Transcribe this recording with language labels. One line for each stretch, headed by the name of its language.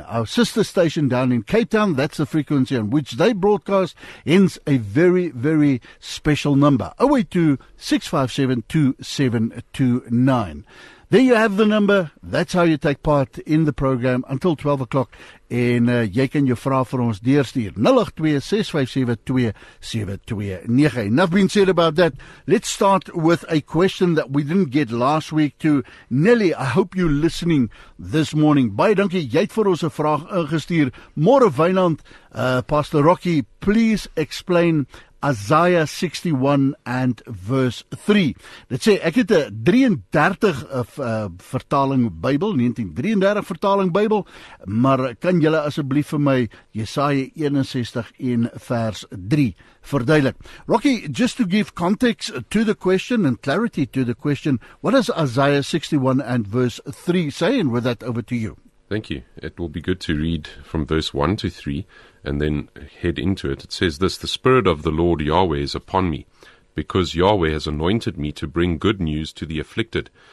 English: Our sister station down in Cape Town, that's the frequency on which they broadcast, hence a very, very special number, 082-657-2729. There you have the number. That's how you take part in the program until 12 o'clock.
Afrikaans: And jy kan jou vraag vir ons deurstuur.
English: 082-657-2729. Enough being said about that. Let's start with a question that we didn't get last week to Nelly. I hope you're listening this morning. Baie dankie.
Afrikaans: Jy het vir ons 'n vraag ingestuur. Môre Wynand, Pastor Rocky,
English: please explain Isaiah 61 and verse 3. Let's say,
Afrikaans: ek het 'n 1933 vertaling Bybel, maar kan julle asseblief vir my Jesaja 61 en vers 3 verduidelik?
English: Rocky, just to give context to the question and clarity to the question, what does Isaiah 61 and verse 3 say? And with that, over to you. Thank you. It will be good to read from verse 1 to 3 and then head into it. It says this: "The Spirit of the Lord Yahweh is upon me, because Yahweh has anointed me to bring good news to the afflicted.